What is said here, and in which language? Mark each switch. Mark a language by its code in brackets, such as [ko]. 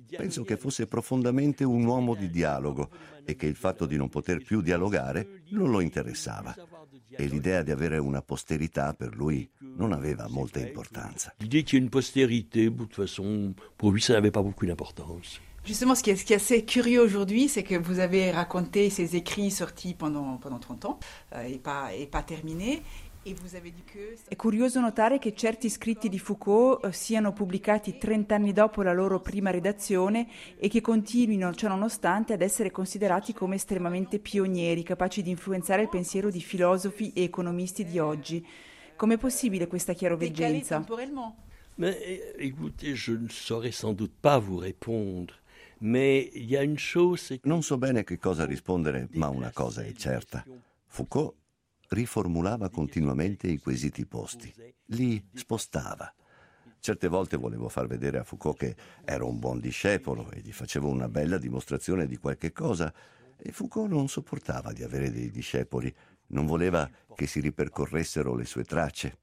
[it] Penso che fosse profondamente un uomo di dialogo e che il fatto di non poter più dialogare non lo interessava. E l'idea di avere una posterità per lui non aveva molta importanza. L'idea di avere una posterità, di [fr] toute façon, [it] per lui, non aveva molta importanza. [fr] Justement, ce qui est assez curieux aujourd'hui, c'est que vous avez raconté ces écrits sortis pendant 30 ans et pas terminés. [it] È curioso notare che certi scritti di Foucault siano pubblicati 30 anni dopo la loro prima redazione e che continuino, ciononostante, ad essere considerati come estremamente pionieri, capaci di influenzare il pensiero di filosofi e economisti di oggi. Com'è possibile questa chiaroveggenza? [fr] Ma, écoutez, je ne saurais sans doute pas vous répondre. Mais il y a une chose. [it] Non so bene che cosa rispondere, ma una cosa è certa. Foucault riformulava continuamente i quesiti posti, li spostava. Certe volte volevo far vedere a Foucault che ero un buon discepolo e gli facevo una bella dimostrazione di qualche cosa, e Foucault non sopportava di avere dei discepoli, non voleva che si ripercorressero le sue tracce.